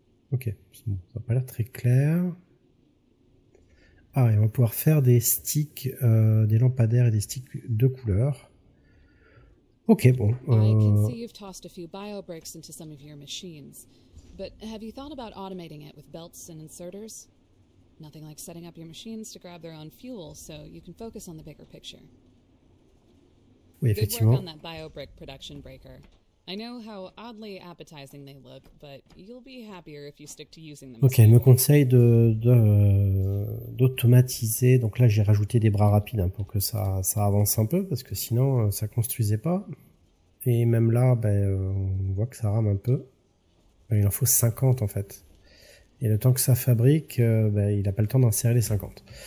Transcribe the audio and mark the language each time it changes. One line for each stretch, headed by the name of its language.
French: Ok, bon, ça n'a pas l'air très clair. Ah, et on va pouvoir faire des sticks, des lampadaires et des sticks de couleur. Ok, bon. Je peux voir que vous avez tossé quelques biobricks dans certaines de vos machines. Mais avez-vous pensé à automatiser ça avec belts et inserteurs?
English: Nothing like setting up your machines to grab their own fuel so you can focus on the bigger picture.
French: Oui, effectivement.
English: Good work on that biobrick production breaker. I know how oddly appetizing they look, but you'll be happier if you stick to using them.
French: Ok, me conseille d'automatiser. Donc là, j'ai rajouté des bras rapides hein, pour que ça avance un peu, parce que sinon, ça construisait pas. Et même là, on voit que ça rame un peu. Ben, il en faut 50 en fait. Et le temps que ça fabrique, il n'a pas le temps d'insérer les 50.